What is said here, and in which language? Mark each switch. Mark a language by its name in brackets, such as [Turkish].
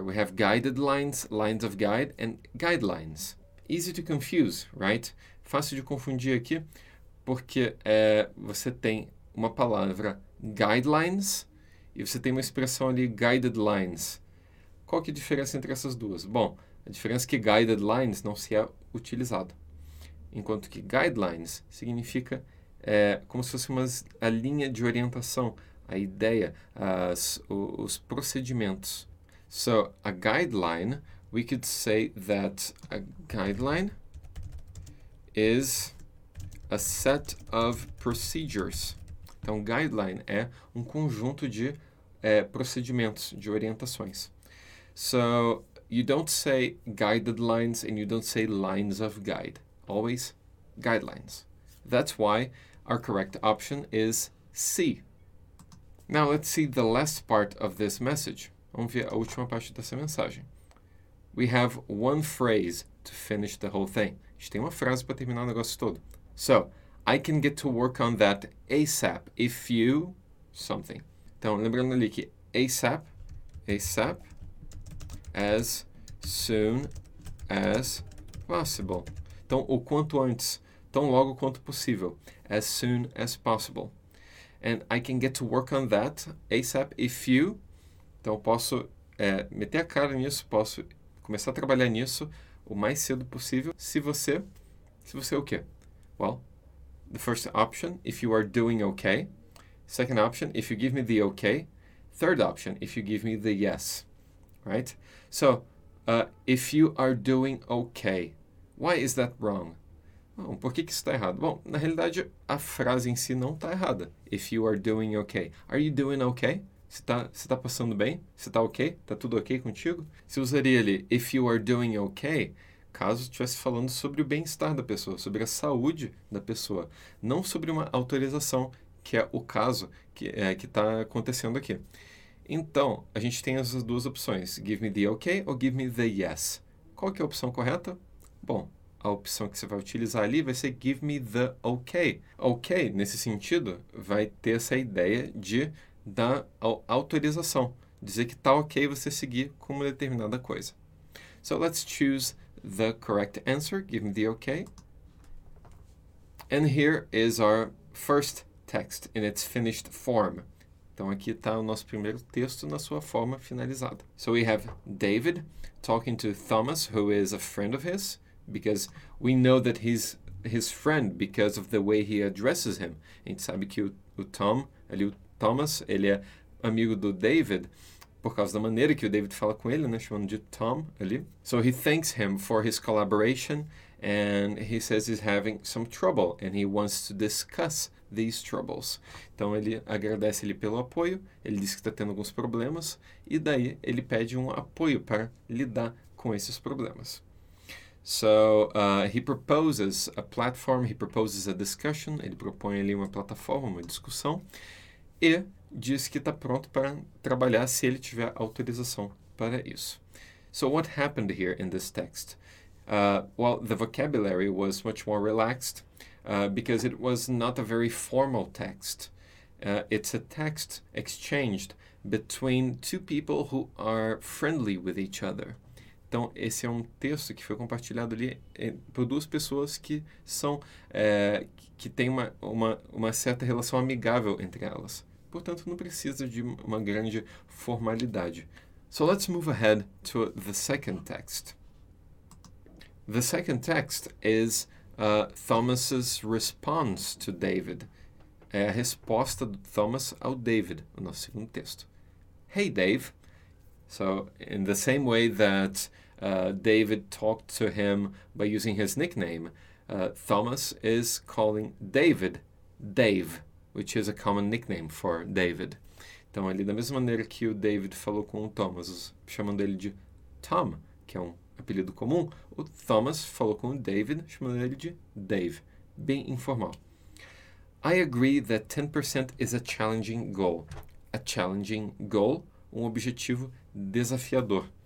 [English] We have guided lines, lines of guide, and guidelines. Easy to confuse, right? [Portuguese] Fácil de confundir aqui, porque você tem uma palavra guidelines e você tem uma expressão ali, guided lines. Qual que é a diferença entre essas duas? Bom, a diferença é que guided lines não se é utilizado, enquanto que guidelines significa como se fosse a linha de orientação, a ideia, os procedimentos. [English] So, a guideline, we could say that a guideline is a set of procedures. [Portuguese] Então, guideline é um conjunto de procedimentos, de orientações. [English] So, you don't say guided lines and you don't say lines of guide. Always guidelines. That's why our correct option is C. Now, let's see the last part of this message. [Portuguese] Vamos ver a última parte dessa mensagem. [English] We have one phrase to finish the whole thing. [Portuguese] A gente tem uma frase para terminar o negócio todo. [English] So, I can get to work on that ASAP, if you something. [Portuguese] Então, lembrando ali que ASAP, as soon as possible. Então, o quanto antes, tão logo quanto possível, as soon as possible. [English] And I can get to work on that ASAP, if you. [Portuguese] Então, posso meter a cara nisso, posso começar a trabalhar nisso o mais cedo possível, se você o quê? [English] Well, the first option, if you are doing okay. Second option, if you give me the okay. Third option, if you give me the yes. Right? So, if you are doing okay. Why is that wrong? [Portuguese] Bom, por que isso está errado? Bom, na realidade, a frase em si não está errada. [English] If you are doing okay. Are you doing okay? [Portuguese] Você tá passando bem? Você tá ok? Tá tudo ok contigo? Se usaria ali, if you are doing okay, caso estivesse falando sobre o bem-estar da pessoa, sobre a saúde da pessoa, não sobre uma autorização, que é o caso que está acontecendo aqui. Então, a gente tem essas duas opções, give me the okay ou give me the yes. Qual que é a opção correta? Bom, a opção que você vai utilizar ali vai ser give me the okay. Okay, nesse sentido, vai ter essa ideia de dar autorização, dizer que está ok você seguir com uma determinada coisa. [English] So, let's choose the correct answer, give me the okay. And here is our first text in its finished form. [Portuguese] Então, aqui está o nosso primeiro texto na sua forma finalizada. [English] So, we have David talking to Thomas, who is a friend of his, because we know that he's his friend because of the way he addresses him. [Portuguese] A gente sabe que o Thomas, ele é amigo do David, por causa da maneira que o David fala com ele, né? Chamando de Tom ali. [English] So he thanks him for his collaboration and he says he's having some trouble and he wants to discuss these troubles. [Portuguese] Então ele agradece ele pelo apoio, ele diz que está tendo alguns problemas e daí ele pede um apoio para lidar com esses problemas. [English] So he proposes a platform, he proposes a discussion, [Portuguese] ele propõe ali uma plataforma, uma discussão. E diz que está pronto para trabalhar se ele tiver autorização para isso. [English] So, what happened here in this text? Well, the vocabulary was much more relaxed because it was not a very formal text. It's a text exchanged between two people who are friendly with each other. [Portuguese] Então, esse é um texto que foi compartilhado ali por duas pessoas que são que têm uma certa relação amigável entre elas. Portanto, não precisa de uma grande formalidade. [English] So, let's move ahead to the second text. The second text is Thomas's response to David. [Portuguese] É a resposta do Thomas ao David, o nosso segundo texto. [English] Hey, Dave. So, in the same way that David talked to him by using his nickname, Thomas is calling David, Dave, which is a common nickname for David. [Portuguese] Então, ali, da mesma maneira que o David falou com o Thomas, chamando ele de Tom, que é um apelido comum, o Thomas falou com o David, chamando ele de Dave. Bem informal. [English] I agree that 10% is a challenging goal. A challenging goal, [Portuguese] um objetivo desafiador.